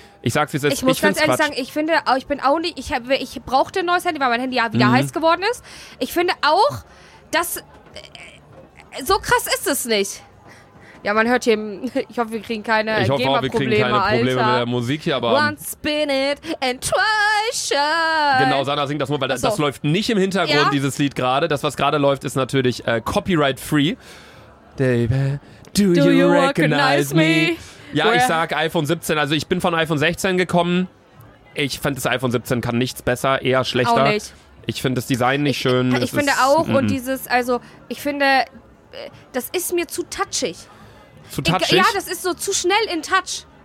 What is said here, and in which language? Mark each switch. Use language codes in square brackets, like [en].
[de] Ich sag's, wie es ist. Ich muss ganz ehrlich Quatsch. Sagen, ich finde, ich bin auch nicht... Ich brauchte ein neues Handy, weil mein Handy ja wieder heiß geworden ist. Ich finde auch, dass... So krass ist es nicht. Ja, man hört hier, ich hoffe, wir kriegen keine Probleme mit der Musik hier, aber... [en] Once spin it and twice shine. [de] Genau, Sandra singt das nur, weil so. Das läuft nicht im Hintergrund, ja? Dieses Lied gerade. Das, was gerade läuft, ist natürlich copyright-free. [en] David, do you recognize me? [de] Ja, ich sag iPhone 17, also ich bin von iPhone 16 gekommen. Ich fand, das iPhone 17 kann nichts besser, eher schlechter. Auch nicht. Ich finde das Design nicht schön. Das ist mir zu touchig. Zu touchig? Ja, das ist so zu schnell in Touch.